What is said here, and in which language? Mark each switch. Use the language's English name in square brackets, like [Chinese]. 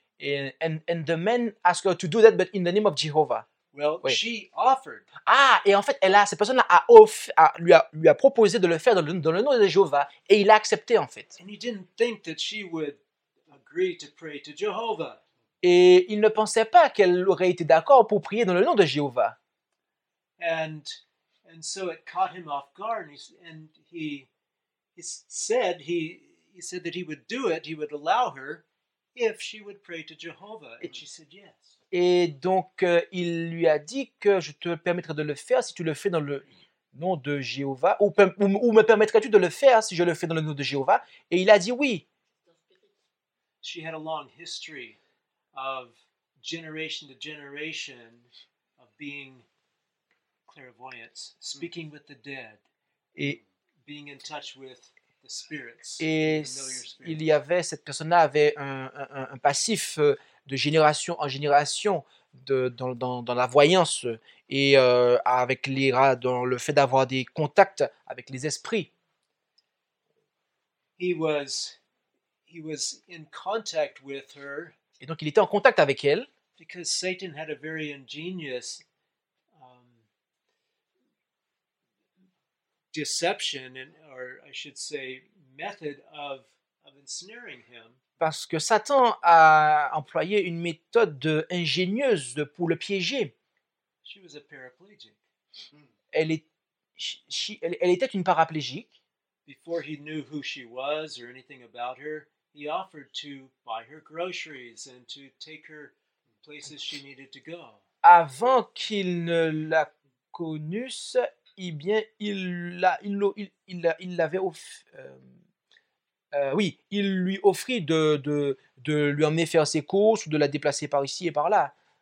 [English] And the man asked her to do that, but in the name of Jehovah. Well, oui. She offered. [French] Ah, et en fait, cette personne-là lui a proposé de le faire dans le nom de Jéhovah, et il a accepté, en fait. [English] And he didn't think that she would agree to pray to Jehovah. [French] Et il ne pensait pas qu'elle aurait été d'accord pour prier dans le nom de Jéhovah. [English] And so it caught him off guard, and he said that he would do it, he would allow her, if she would pray to Jehovah, and she said yes. [French] Et donc, il lui a dit que je te permettrai de le faire si tu le fais dans le nom de Jéhovah, ou me permettras-tu de le faire si je le fais dans le nom de Jéhovah? Et il a dit oui. [English] She had a long history of generation to generation of being clairvoyant, speaking with the dead, [French] et [English] being in touch with the spirits. [French] Et il y avait, cette personne-là avait un passif de génération en génération dans la voyance et avec l'ira dans le fait d'avoir des contacts avec les esprits. [English] He was in contact with her. [French] Et donc il était en contact avec elle. [English] Because Satan had a very ingenious deception and, or I should say method of ensnaring him. [French] Parce que Satan a employé une méthode ingénieuse pour le piéger. [English] She was a paraplegic. [French] Elle était une paraplégique. [English] Before he knew who she was or anything about her, he offered to buy her groceries and to take her places she needed to go. [French] Avant qu'il ne la connusse, eh bien, il l'avait offert. Oui, il lui offrit de lui emmener faire ses courses ou de la déplacer par ici et par là.